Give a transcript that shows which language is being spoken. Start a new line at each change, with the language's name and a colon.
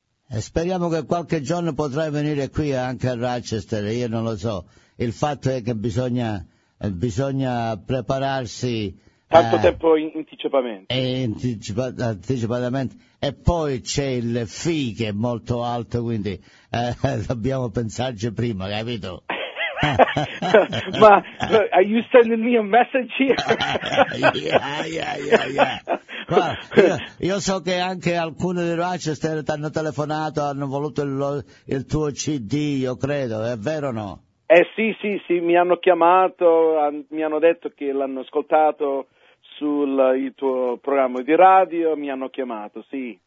Italian: E speriamo che qualche giorno potrai venire qui anche a Rochester, io non lo so. Il fatto è che bisogna prepararsi... Tanto tempo anticipamente. Anticipatamente. E poi c'è il fee che è molto alto, quindi dobbiamo pensarci prima, capito?
English: Ma, are you sending me a message here? Yeah.
Italian: Ma, io so che anche alcuni di Rochester ti hanno telefonato, hanno voluto il tuo CD, io credo, è vero o no? Sì, mi hanno chiamato, mi hanno detto che l'hanno ascoltato il tuo programma di radio, mi hanno chiamato, sì.